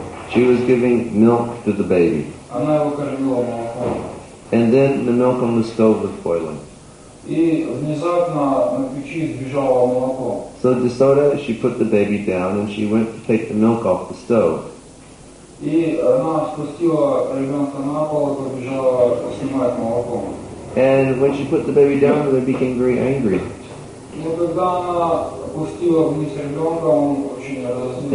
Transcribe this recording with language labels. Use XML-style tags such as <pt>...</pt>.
<en>She was giving milk to the baby. And then the milk on the stove was boiling.</en> <ru>И внезапно на печи сбежало молоко.</ru> <en>So Yasoda, she put the baby down and she went to take the milk off the stove.</en> <ru>И она спустила ребенка на пол и побежала снимать молоко.</ru> <en>And when she put the baby down, they became very angry.</en> <ru>Но когда она опустила вниз ребенка, он очень разозлился.</ru>